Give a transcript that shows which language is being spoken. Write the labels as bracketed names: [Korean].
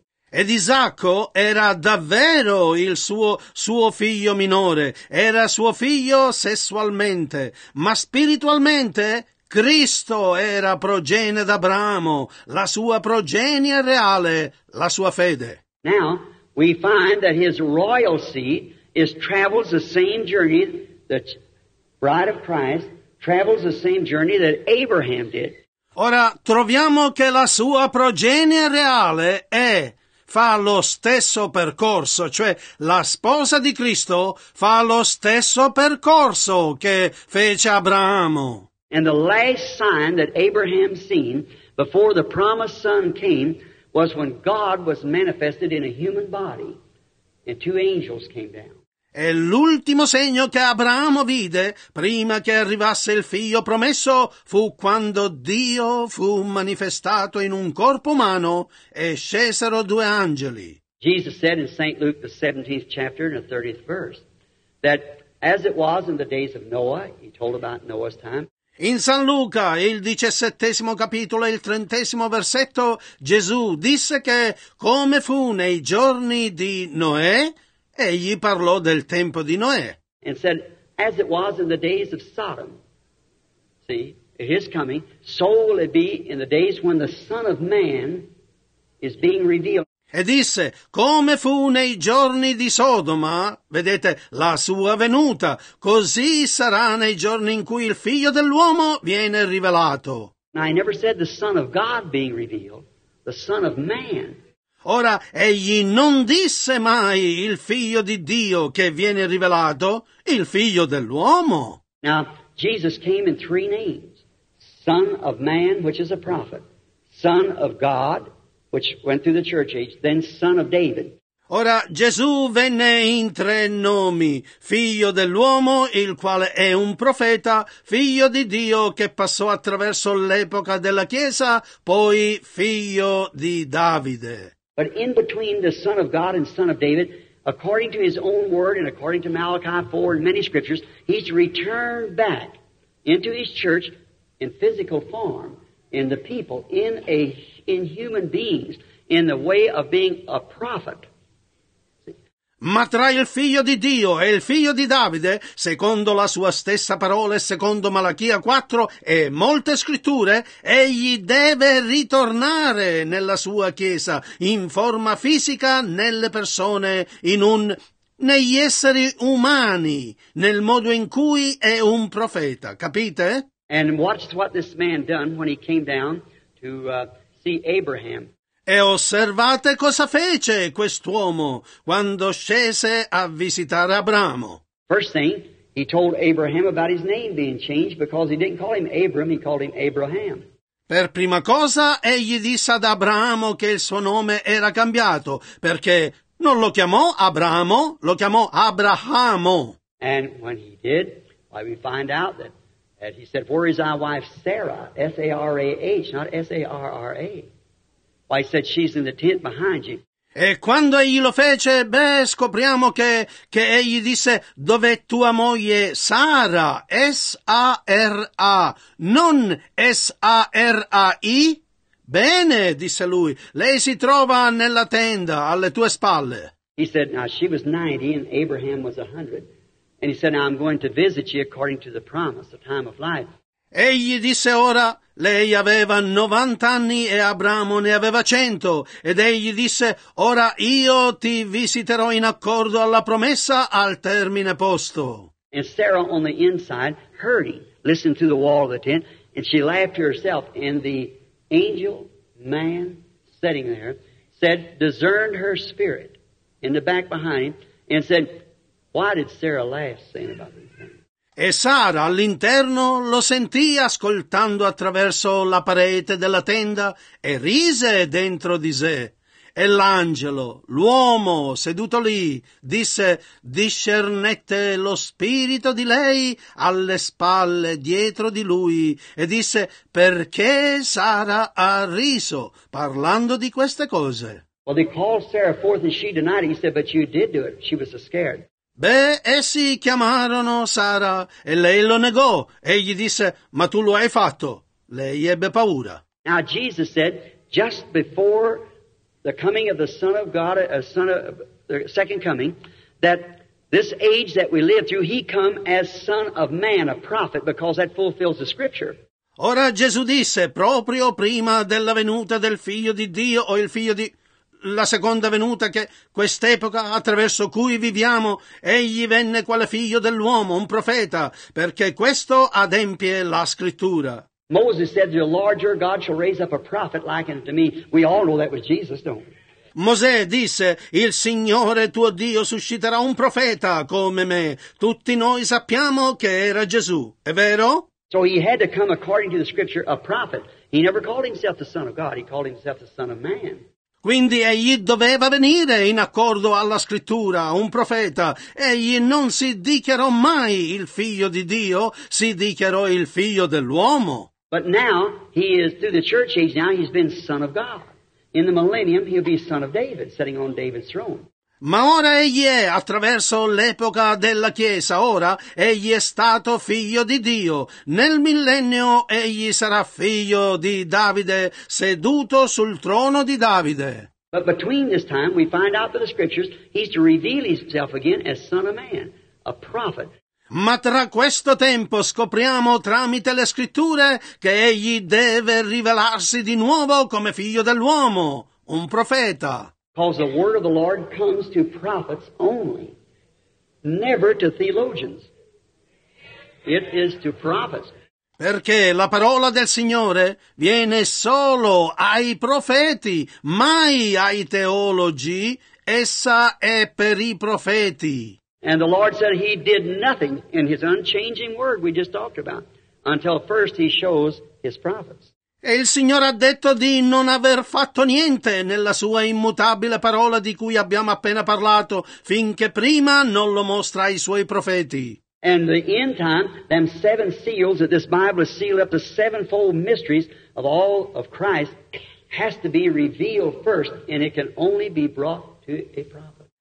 [Italian] Ed Isacco era davvero il suo figlio minore, era suo figlio sessualmente, ma spiritualmente Cristo era progenie d'Abramo, la sua progenie reale, la sua fede. [English] Now we find that his royal seed travels the same journey that bride of Christ travels the same journey that Abraham did. [Italian] Ora troviamo che la sua progenie reale fa lo stesso percorso, cioè la sposa di Cristo fa lo stesso percorso che fece Abramo. [English] And the last sign that Abraham seen before the promised son came was when God was manifested in a human body and two angels came down. [Italian] E l'ultimo segno che Abramo vide prima che arrivasse il figlio promesso fu quando Dio fu manifestato in un corpo umano e scesero due angeli. [English] Jesus said in St. Luke, the 17th chapter and the 30th verse, that as it was in the days of Noah, he told about Noah's time. [Italian] In San Luca, il 17° capitolo e il 30° versetto, Gesù disse che come fu nei giorni di Noè, egli parlò del tempo di Noè. [English] And said, as it was in the days of Sodom, see, at his coming, so will it be in the days when the Son of Man is being revealed. [Italian] E disse, come fu nei giorni di Sodoma, vedete, la sua venuta, così sarà nei giorni in cui il Figlio dell'uomo viene rivelato. [English] Now, I never said the Son of God being revealed, the Son of Man. [Italian] Ora, egli non disse mai il figlio di Dio che viene rivelato, il figlio dell'uomo. [English] Now, Jesus came in three names. Son of man, which is a prophet. Son of God, which went through the church age. Then son of David. [Italian] Ora, Gesù venne in tre nomi. Figlio dell'uomo, il quale è un profeta. Figlio di Dio, che passò attraverso l'epoca della Chiesa. Poi figlio di Davide. [English] But in between the Son of God and Son of David, according to his own word and according to Malachi 4 and many scriptures, he's returned back into his church in physical form, in the people, in human beings, in the way of being a prophet. [Italian] Ma tra il figlio di Dio e il figlio di Davide, secondo la sua stessa parola e secondo Malachia 4 e molte scritture, egli deve ritornare nella sua chiesa in forma fisica nelle persone, negli esseri umani, nel modo in cui è un profeta. Capite? [English] And watched what this man done when he came down to see Abraham. [Italian] E osservate cosa fece quest'uomo quando scese a visitare Abramo. [English] First thing, he told Abraham about his name being changed because he didn't call him Abram, he called him Abraham. [Italian] Per prima cosa, egli disse ad Abramo che il suo nome era cambiato, perché non lo chiamò Abramo, lo chiamò Abrahamo. [English] And when he did, we find out that he said, "Where is thy wife Sarah?" S-A-R-A-H, not S-A-R-R-A. Why, he said, "She's in the tent behind you." [Italian] E quando egli lo fece, beh, scopriamo che egli disse, "Dov'è tua moglie Sara?" S-A-R-A, non S-A-R-A-I. Bene, disse lui, lei si trova nella tenda, alle tue spalle. [English] He said, "Now she was 90 and Abraham was 100. And he said, "Now I'm going to visit you according to the promise, the time of life." [Italian] Egli disse ora, lei aveva 90 anni e Abramo ne aveva 100. Ed egli disse, ora io ti visiterò in accordo alla promessa al termine posto. [English] And Sarah on the inside heard him, listened to the wall of the tent, and she laughed to herself. And the angel man sitting there said, discerned her spirit in the back behind him, and said, "Why did Sarah laugh saying about this?" [Italian] E Sara all'interno lo sentì ascoltando attraverso la parete della tenda e rise dentro di sé. E l'angelo, l'uomo seduto lì, disse, discernette lo spirito di lei alle spalle dietro di lui e disse, perché Sara ha riso parlando di queste cose? [English] Well, they called Sarah forth and she denied it. He said, "But you did do it." She was so scared. [Italian] Beh, essi chiamarono Sara e lei lo negò. Egli disse, "Ma tu lo hai fatto." Lei ebbe paura. [English] Now Jesus said, just before the coming of the Son of God, the second coming, that this age that we live through, he come as Son of Man, a prophet, because that fulfills the scripture. [Italian] Ora Gesù disse, proprio prima della venuta del Figlio di Dio o il Figlio di... la seconda venuta che quest'epoca attraverso cui viviamo, egli venne quale figlio dell'uomo, un profeta, perché questo adempie la scrittura. [English] Moses said, "The Lord your God shall raise up a prophet like unto me." We all know that was Jesus, don't we? [Italian] Mosè disse, "Il Signore tuo Dio susciterà un profeta come me." Tutti noi sappiamo che era Gesù, è vero? [English] So he had to come according to the scripture, a prophet. He never called himself the Son of God, he called himself the Son of Man. [Italian] Quindi egli doveva venire in accordo alla scrittura, un profeta. Egli non si dichiarò mai il figlio di Dio, si dichiarò il figlio dell'uomo. [English] But now he is through the church age, now he's been Son of God. In the millennium he'll be Son of David, sitting on David's throne. [Italian] Ma ora egli è, attraverso l'epoca della Chiesa, ora egli è stato figlio di Dio. Nel millennio egli sarà figlio di Davide, seduto sul trono di Davide. [English] But between this time we find out by the scriptures he's to reveal himself again as Son of Man, a prophet. [Italian] Ma tra questo tempo scopriamo tramite le scritture che egli deve rivelarsi di nuovo come figlio dell'uomo, un profeta. [English] Because the word of the Lord comes to prophets only, never to theologians. It is to prophets. [Italian] Perché la parola del Signore viene solo ai profeti, mai ai teologi. Essa è per i profeti. [English] And the Lord said he did nothing in his unchanging word we just talked about until first he shows his prophets. [Italian] E il Signore ha detto di non aver fatto niente nella sua immutabile parola di cui abbiamo appena parlato, finché prima non lo mostra ai suoi profeti. [English] And the end time, them seven seals that this Bible is sealed up, the sevenfold mysteries of all of Christ, has to be revealed first, and it can only be brought to a prophet.